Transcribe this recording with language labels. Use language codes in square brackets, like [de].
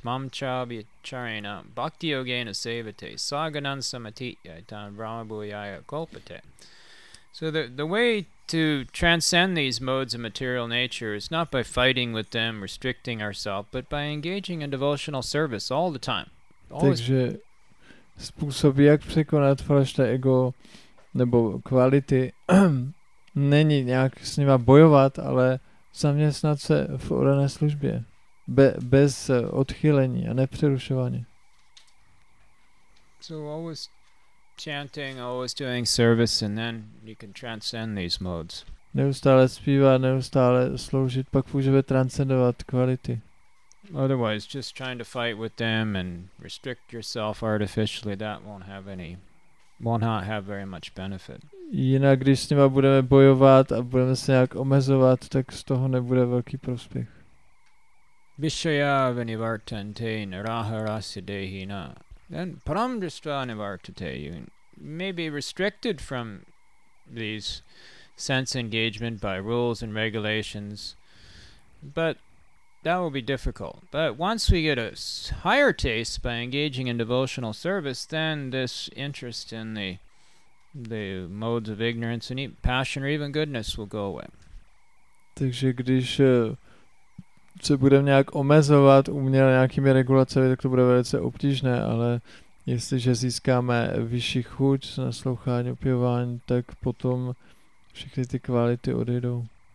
[sa] Mam cha vicharena bhakti yogena sevate saganan samatitya tan brahma bhuyaya kolpate. [en] So the way to transcend these modes of material nature is not by fighting with them, restricting ourselves, but by engaging in devotional service all the time. [cs] Takže způsob, jak překonat falešné ego nebo kvality, není nějak s nima bojovat, ale zaměstnat se v orané službě. Bez odchylení a nepřerušování. [en] So always chanting, always doing service, and then you can transcend these modes. [cs] Neustále zpívat, neustále sloužit, pak můžeme transcendovat kvality. [en] Otherwise, just trying to fight with them and restrict yourself artificially, that won't have very much benefit. [cs] Jinak, když s nima budeme bojovat a budeme se nějak omezovat, tak z toho nebude velký prospěch. [sa] Vishaya vinivartante naraha rasa dehina. Then param drishtva nivartate. [en] You may be restricted from these sense engagement by rules and regulations, but that will be difficult. But once we get a higher taste by engaging in devotional service, then this interest in the modes of ignorance and passion or even goodness will go away. [cs] Takže když se budeme nějak omezovat uměle nějakými regulacemi, tak to bude velice obtížné, ale jestliže získáme vyšší chuť na slouchání, opěvání, tak potom všechny ty kvality odejdou.